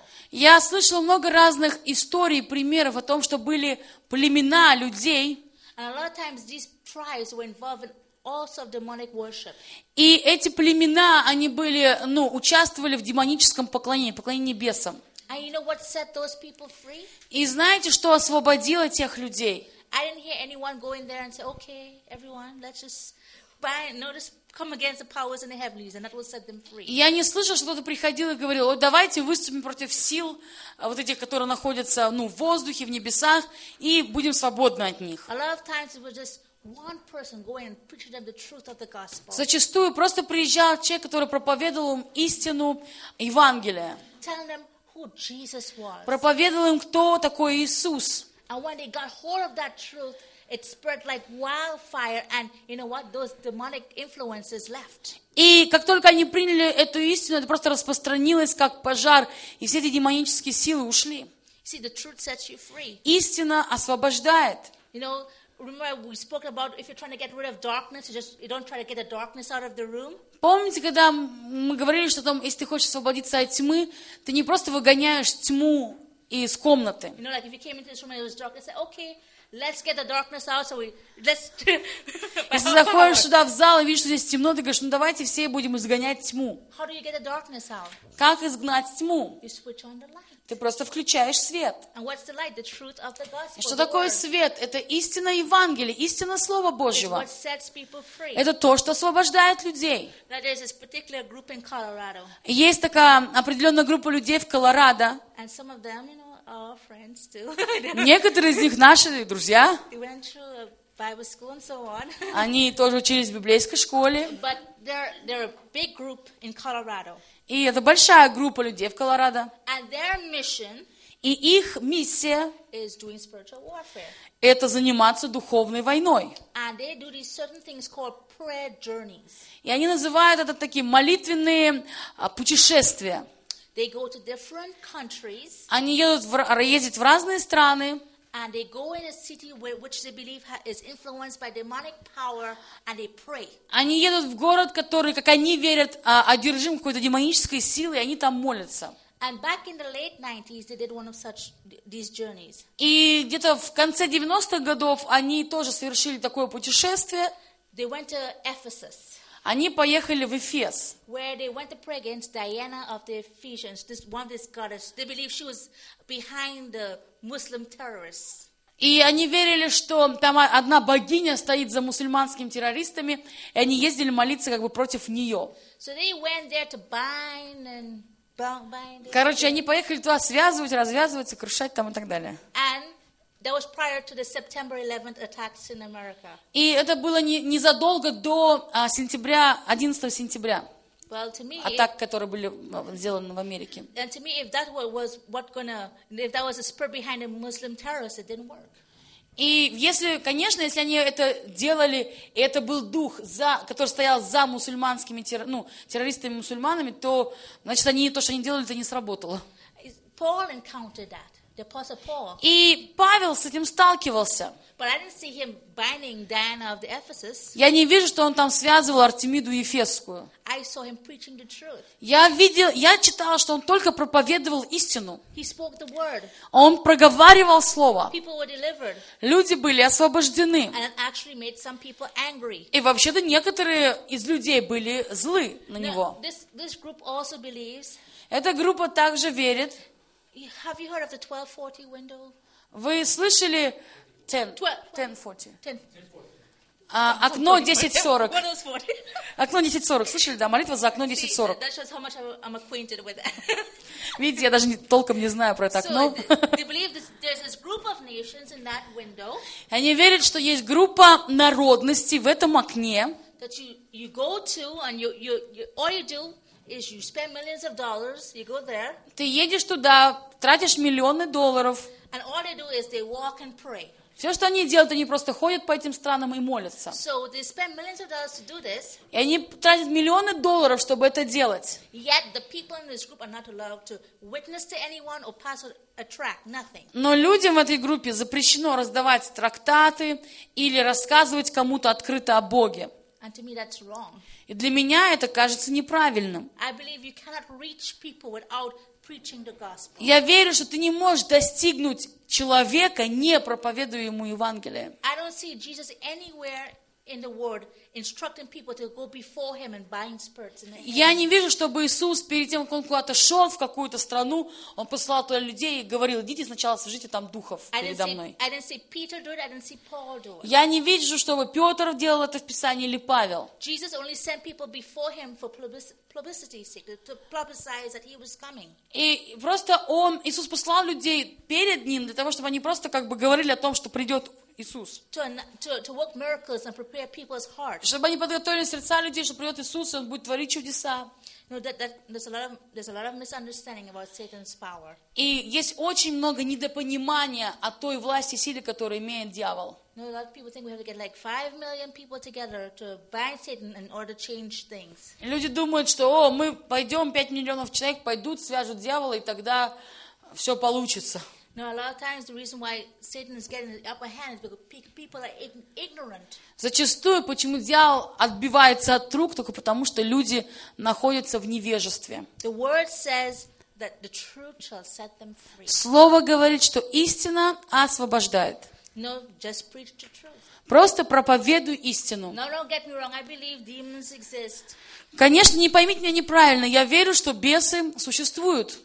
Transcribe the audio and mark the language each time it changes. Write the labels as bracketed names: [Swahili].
[Russian] Я слышал много разных историй, примеров о том, что были племена людей. [English] And a lot of times these tribes were involved in also demonic worship. [Russian] И эти племена, они были, ну, участвовали в демоническом поклонении, поклонении бесам. [English] And you know what set those people free? [Russian] И знаете, что освободило тех людей? [English] I didn't hear anyone go in there and say, okay, everyone, let's just bind, notice, come against the powers in the heavenlies, and that will set them free. [Russian] Я не слышал, что кто-то приходил и говорил, вот давайте выступим против сил вот этих, которые находятся, ну, в воздухе, в небесах, и будем свободны от них. [English] A lot of times it was just one person going and preaching them the truth of the gospel. [Russian] Зачастую просто приезжал человек, который проповедовал им истину Евангелия. [English] Telling them who Jesus was. [Russian] Проповедовал им, кто такой Иисус. [English] And when they got hold of that truth, it spread like wildfire, and you know what? Those demonic influences left. [Russian] И как только они приняли эту истину, это просто распространилось как пожар, и все эти демонические силы ушли. [English] See, the truth sets you free. [Russian] Истина освобождает. [English] You know, remember we spoke about if you're trying to get rid of darkness, you don't try to get the darkness out of the room. [Russian] Помните, когда мы говорили, что там, если ты хочешь освободиться от тьмы, ты не просто выгоняешь тьму из комнаты. [English] You know, like if you came into this room and it was dark, I said, okay, let's get the darkness out, so we let's. [Russian] Если заходишь сюда в зал и видишь, что здесь темно, ты говоришь, ну давайте все будем изгонять тьму. [English] How do you get the darkness out? [Russian] Как изгнать тьму? [English] You switch on the light. [Russian] Ты просто включаешь свет. [English] And what's the light? The truth of the gospel. [Russian] Что такое свет? Это истина Евангелия, истина Слова Божьего. [English] It's what sets people free. [Russian] Это то, что освобождает людей. [English] Now, there's this particular group in Colorado. [Russian] Есть такая определенная группа людей в Колорадо. [English] And some of them, you know, are friends too. [Russian] Некоторые из них наши друзья. [English] They went through a Bible school and so on. [Russian] Они тоже учились в библейской школе. [English] But they're a big group in Colorado. [Russian] И это большая группа людей в Колорадо. [English] And their mission, [Russian] и их миссия, [English] is doing spiritual warfare. [Russian] Это заниматься духовной войной. [English] And they do these certain things called prayer journeys. [Russian] И они называют это такие молитвенные путешествия. [English] They go to different countries, [Russian] они ездят в разные страны. [English] And they go in a city which they believe is influenced by demonic power, and they pray. [Russian] Они едут в город, который, как они верят, одержим какой-то демонической силой, и они там молятся. [English] And back in the late 90s, they did one of such these journeys. [Russian] И где-то в конце 90-х годов они тоже совершили такое путешествие. [English] They went to Ephesus. [Russian] Они поехали в Эфес. [English] Where they went to pray against Diana of the Ephesians, this one of this goddess. They believe she was behind the Muslim terrorists. [Russian] И они верили, что там одна богиня стоит за мусульманскими террористами, и они ездили молиться как бы против нее. [English] So they went there to bind and bind. [Russian] Короче, они поехали туда связывать, развязывать, сокрушать там и так далее. [English] And that was prior to the September 11th attacks in America. [Russian] И это было незадолго до сентября, 11 сентября. [English] Well, to me, [Russian] атак, которые были сделаны в Америке. [English] And to me, if that was what gonna, if that was the spirit behind the Muslim terrorists, it didn't work. [Russian] И если, конечно, если они это делали, и это был дух, за, который стоял за мусульманскими террористами-мусульманами, то, значит, они, то, что они делали, это не сработало. [English] Paul encountered that. [Russian] И Павел с этим сталкивался. [English] But I didn't see him binding Diana of the Ephesus. [Russian] Я не вижу, что он там связывал Артемиду Ефесскую. [English] I saw him preaching the truth. [Russian] Я читала, что он только проповедовал истину. [English] He spoke the word. [Russian] Он проговаривал слово. [English] People were delivered. [Russian] Люди были освобождены. [English] And it actually made some people angry. [Russian] И вообще-то некоторые из людей были злы на него. [English] Now, this group also believes. [Russian] Эта группа также верит. [English] Have you heard of the 1240 window? [Russian] Вы слышали 1040. Окно 1040. Окно 1040. Слышали, да? Молитва за окно 1040. [English] That shows how much I'm acquainted with that. [Russian] Видите, я даже толком не знаю про это окно. [English] They believe there's this group of nations in that window. [Russian] Они верят, что есть группа народностей в этом окне. [English] That you go to and all you do is you spend millions of dollars, you go there. [Russian] Ты едешь туда, тратишь миллионы долларов. [English] And all they do is they walk and pray. [Russian] Все, что они делают, они просто ходят по этим странам и молятся. [English] So they spend millions of dollars to do this. [Russian] И они тратят миллионы долларов, чтобы это делать. [English] Yet the people in this group are not allowed to witness to anyone or pass a tract, nothing. [Russian] Но людям в этой группе запрещено раздавать трактаты или рассказывать кому-то открыто о Боге. [English] And to me that's wrong. [Russian] И для меня это кажется неправильным. [English] I believe you cannot reach people without preaching the gospel. [Russian] Я верю, что ты не можешь достигнуть человека, не проповедуя ему Евангелие. [English] I don't see Jesus anywhere in the world instructing people to go before him and bind spirits in the hands. [Russian] Я не вижу, чтобы Иисус перед тем, как он куда-то шел в какую-то страну, он посылал туда людей и говорил: идите сначала свяжите там духов передо мной. [English] I didn't see Peter do it, I didn't see Paul do it. [Russian] Я не вижу, чтобы Петр делал это в Писании или Павел. [English] Jesus only sent people before him for publicity's sake, to prophesy that he was coming. [Russian] И просто он, Иисус послал людей перед ним для того, чтобы они просто как бы говорили о том, что придет Иисус. [English] To work miracles and prepare people's hearts. [Russian] Чтобы они подготовили сердца людей, что придет Иисус, и он будет творить чудеса. [English] No, there's a lot of misunderstanding about Satan's power. [Russian] И есть очень много недопонимания о той власти и силе, которую имеет дьявол. [English] No, a lot of people think we have to get like 5 million people together to bind Satan in order to change things. [Russian] Люди думают, что мы пойдем, 5 миллионов человек пойдут, свяжут дьявола, и тогда все получится. [English] No, a lot of times the reason why Satan is getting the upper hand is because people are ignorant. [Russian] Зачастую, почему дьявол отбивается от рук, только потому, что люди находятся в невежестве. [English] The word says that the truth shall set them free. [Russian] Слово говорит, что истина освобождает. [English] No, just preach the truth. [Russian] Просто проповедуй истину. [English] No, don't get me wrong. I believe demons exist. [Russian] Конечно, не поймите меня неправильно. Я верю, что бесы существуют.